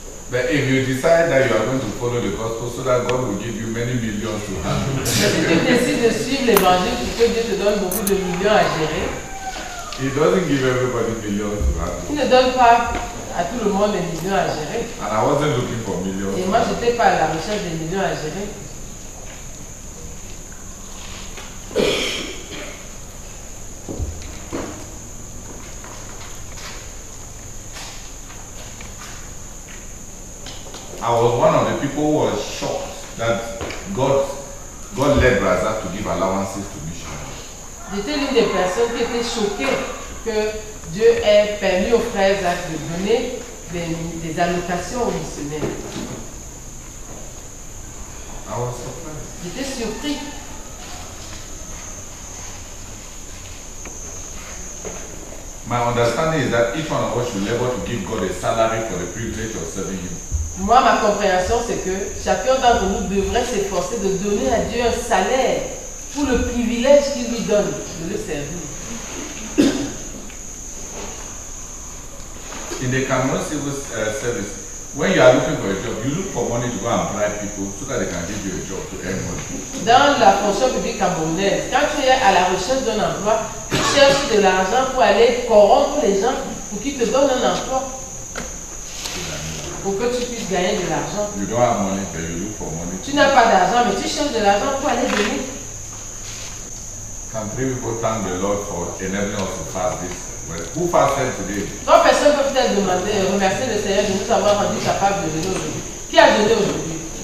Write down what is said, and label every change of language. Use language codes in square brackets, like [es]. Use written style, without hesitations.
[en] But if you decide that you are going to follow the gospel, so that God will give you many millions to handle. [fr] Si tu décides de suivre l'évangile, pour que Dieu te donne beaucoup de millions à gérer. [en] He doesn't give everybody millions to handle. [fr] Il ne donne pas à tout le monde des millions à gérer. [en] And I wasn't looking for millions. [fr] Et moi, j'étais pas à la recherche des millions à gérer. [en] I was one of the people who was shocked that God led Brazza to give allowances to missionaries. [fr] J'étais l'une des personnes qui était choquée que Dieu ait permis aux frères Zach de donner des allocations aux missionnaires. [en] I was surprised. [fr] J'étais surpris. [en] My understanding is that each one of us should labor to give God a salary for the privilege of serving Him. [fr] Moi, ma compréhension, c'est que chacun d'entre nous devrait s'efforcer de donner à Dieu un salaire pour le privilège qu'il lui donne de le servir. [en] In the Cameroon civil service, when you are looking for a job, you look for money to go and bribe people so that they can give you a job to earn money. [fr] Dans la fonction publique camerounaise, quand tu es à la recherche d'un emploi, tu cherches de l'argent pour aller corrompre les gens pour qu'ils te donnent un emploi. Pour que tu puisses gagner de l'argent. [en] You don't have money, but you look for money. [fr] Tu n'as pas d'argent, mais tu cherches de l'argent pour aller donner. [en] Can three people thank the Lord for enabling us to fast this? Well, who fasted today? [fr] Trois personnes peuvent-elles demander, remercier le Seigneur de nous avoir rendu capables de donner aujourd'hui? Qui a donné aujourd'hui?